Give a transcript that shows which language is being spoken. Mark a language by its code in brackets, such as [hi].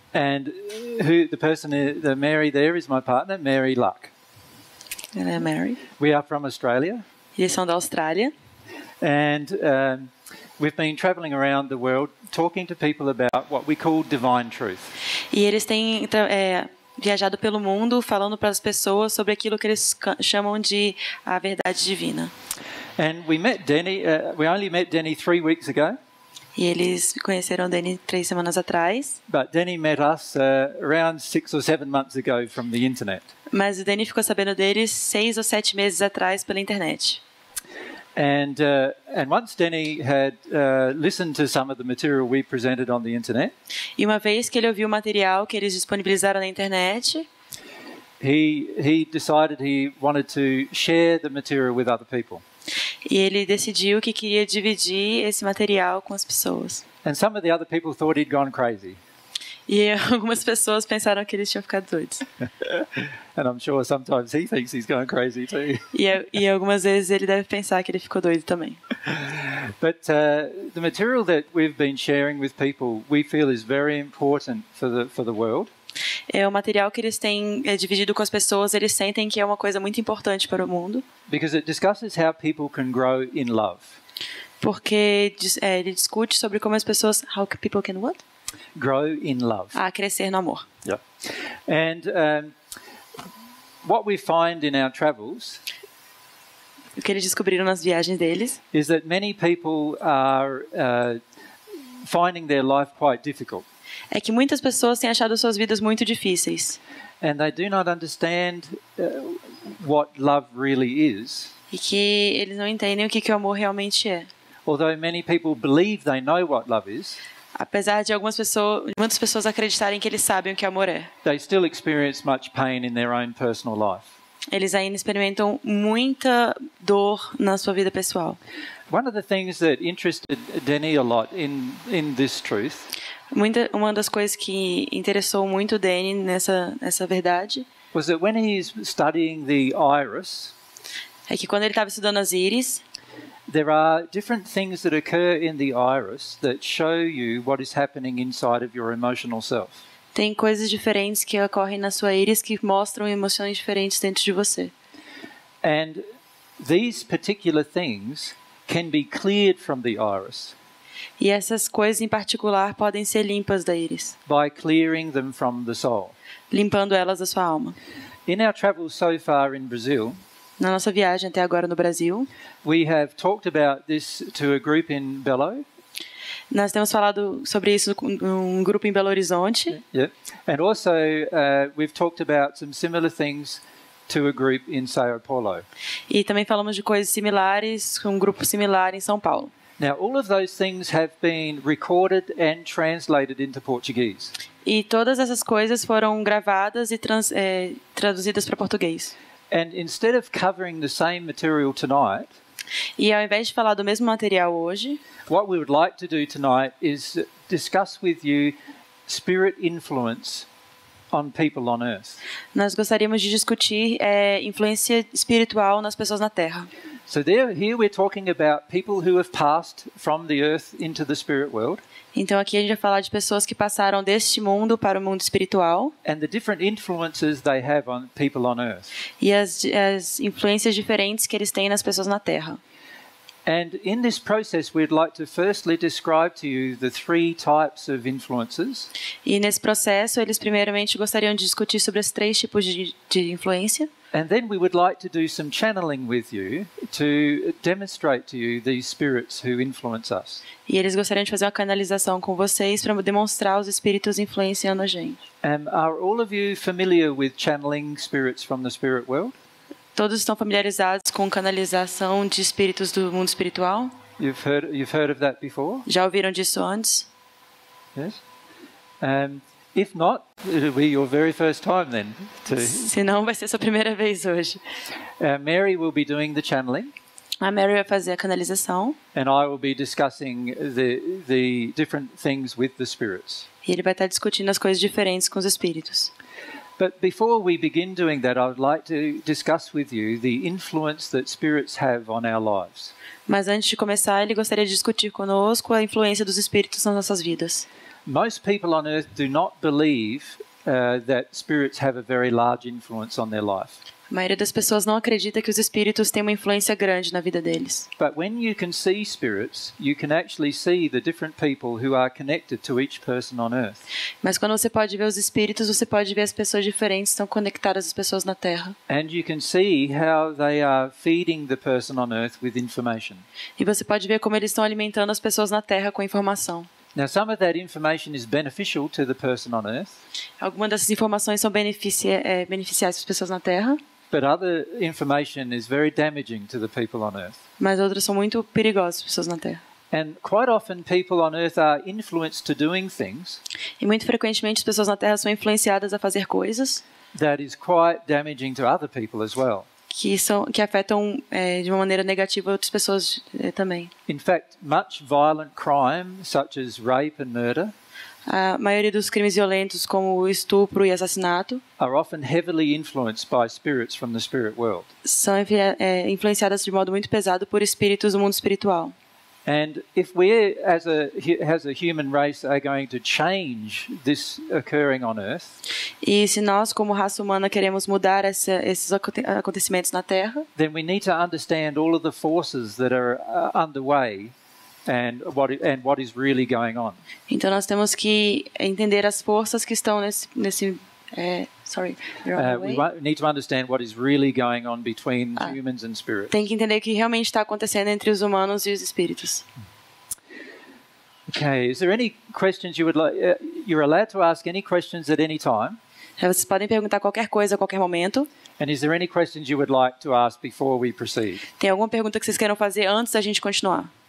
[en] And who the person is, the Mary there is my partner, Mary Luck. [pt] Ela é Mary. [en] We are from Australia. [pt] Eles são da Austrália. [en] And we've been traveling around the world talking to people about what we call divine truth. [pt] E eles têm viajado pelo mundo, falando para as pessoas sobre aquilo que eles chamam de a verdade divina. [en] And we met Denny, we only met Denny 3 weeks ago. [pt] E eles conheceram Denny 3 semanas atrás. [en] But Denny met us around 6 or 7 months ago from the internet. [pt] Mas o Denny ficou sabendo deles 6 ou 7 meses atrás pela internet. [en] And once Denny had listened to some of the material we presented on the internet. [pt] E uma vez que ele ouviu o material que eles disponibilizaram na internet, [en] he decided he wanted to share the material with other people. [pt] E ele decidiu que queria dividir esse material com as pessoas. [en] And some of the other people thought he'd gone crazy. [pt] E algumas pessoas pensaram que eles tinham ficado doidos. [en] And I'm sure sometimes he thinks he's going crazy too. [pt] E algumas vezes ele deve pensar que ele ficou doido também. [en] But the material that we've been sharing with people, we feel is very important for the world. [pt] É o material que eles têm dividido com as pessoas, eles sentem que é uma coisa muito importante para o mundo. [en] Because it discusses how people can grow in love. [pt] Porque ele discute sobre como as pessoas [en] how people can what? Grow in love. [pt] A crescer no amor. [en] Yeah. And what we find in our travels, [pt] o que eles descobriram nas viagens deles, [en] is that many people are finding their life quite difficult. [pt] É que muitas pessoas têm achado suas vidas muito difíceis. [en] And they do not understand what love really is. [pt] E que eles não entendem o que o amor realmente é. [en] Although many people believe they know what love is. [pt] Apesar de algumas pessoas, muitas pessoas acreditarem que eles sabem o que amor é. [en] They still experience much pain in their own personal life. [pt] Eles ainda experimentam muita dor na sua vida pessoal. [en] One of the things that interested Denny a lot in this truth. [pt] Uma das coisas que interessou muito Denny nessa verdade. [en] Was that when he's studying the iris. [pt] É que quando ele estava estudando as íris. [en] There are different things that occur in the iris that show you what is happening inside of your emotional self. [pt] Tem coisas diferentes que ocorrem na sua íris que mostram emoções diferentes dentro de você. [en] And these particular things can be cleared from the iris. [pt] E essas coisas em particular podem ser limpas da íris. [en] By clearing them from the soul. [pt] Limpando elas da sua alma. [en] In our travels so far in Brazil. [pt] Na nossa viagem até agora no Brasil. [en] We have talked about this to a group in Belo. [pt] Nós temos falado sobre isso com um grupo em Belo Horizonte. [en] Yeah. And also we've talked about some similar things to a group in São Paulo. [pt] E também falamos de coisas similares com um grupo similar em São Paulo. [en] Now all of those things have been recorded and translated into Portuguese. [pt] E todas essas coisas foram gravadas e traduzidas para português. [en] And instead of covering the same material tonight, [pt] e ao invés de falar do mesmo material hoje, [en] what we would like to do tonight is discuss with you spirit influence on people on earth. [pt] Nós gostaríamos de discutir influência espiritual nas pessoas na Terra. [en] So there, here we're talking about people who have passed from the earth into the spirit world. [pt] Então aqui a gente vai falar de pessoas que passaram deste mundo para o mundo espiritual. [en] And the different influences they have on people on earth. [pt] E as influências diferentes que eles têm nas pessoas na Terra. [en] And in this process we'd like to firstly describe to you the 3 types of influences. [pt] E nesse processo eles primeiramente gostariam de discutir sobre os 3 tipos de influência. [en] And then we would like to do some channeling with you to demonstrate to you these spirits who influence us. [pt] E eles gostariam de fazer uma canalização com vocês para demonstrar os espíritos influenciando a gente. [en] Are all of you familiar with channeling spirits from the spirit world? [pt] Todos estão familiarizados com canalização de espíritos do mundo espiritual? [en] You've heard of that before? [pt] Já ouviram disso antes? [en] Yes. If not, it'll be your very first time then. [pt] Se não, vai ser sua primeira vez hoje. [en] Mary will be doing the channeling. [pt] A Mary vai fazer a canalização. [en] And I will be discussing the different things with the spirits. [pt] E ele vai estar discutindo as coisas diferentes com os espíritos. [en] But before we begin doing that, I would like to discuss with you the influence that spirits have on our lives. [pt] Mas antes de começar, ele gostaria de discutir conosco a influência dos espíritos nas nossas vidas. [en] Most people on earth do not believe that spirits have a very large influence on their life. [pt] A maioria das pessoas não acredita que os espíritos têm uma influência grande na vida deles. [en] But when you can see spirits, you can actually see the different people who are connected to each person on earth. [pt] Mas quando você pode ver os espíritos, você pode ver as pessoas diferentes estão conectadas às pessoas na Terra. [en] And you can see how they are feeding the person on earth with information. [pt] E você pode ver como eles estão alimentando as pessoas na Terra com informação. [en] Now, some of that information is beneficial to the person on earth. [pt] Algumas dessas informações são beneficiais para as pessoas na Terra. [en] But other information is very damaging to the people on earth. [pt] Mas outras são muito perigosas para as pessoas na Terra. [en] And quite often people on earth are influenced to doing things. [pt] E muito frequentemente as pessoas na Terra são influenciadas a fazer coisas. [en] That is quite damaging to other people as well. [pt] Que afetam de uma maneira negativa outras pessoas também. [en] In fact, much violent crime, such as rape and murder, [pt] a maioria dos crimes violentos, como o estupro e assassinato, [en] are often heavily influenced by spirits from the spirit world. [pt] São influenciadas de modo muito pesado por espíritos do mundo espiritual. [en] And if we, as a human race, are going to change this occurring on Earth, [pt] e se nós, como raça humana, queremos mudar esses acontecimentos na Terra, [en] then we need to understand all of the forces that are underway and what is really going on. [pt] Então nós temos que entender as forças que estão nesse [en] We need to understand what is really going on between humans and spirits. [pt] Tem que entender o que realmente está acontecendo entre os humanos e os espíritos. [en] Okay, is there any questions you would like? You're allowed to ask any questions at any time. [pt] Vocês podem perguntar qualquer coisa a qualquer momento. [en] And is there any questions you would like to ask before we proceed? [pt] Tem alguma pergunta que vocês queiram fazer antes da gente continuar?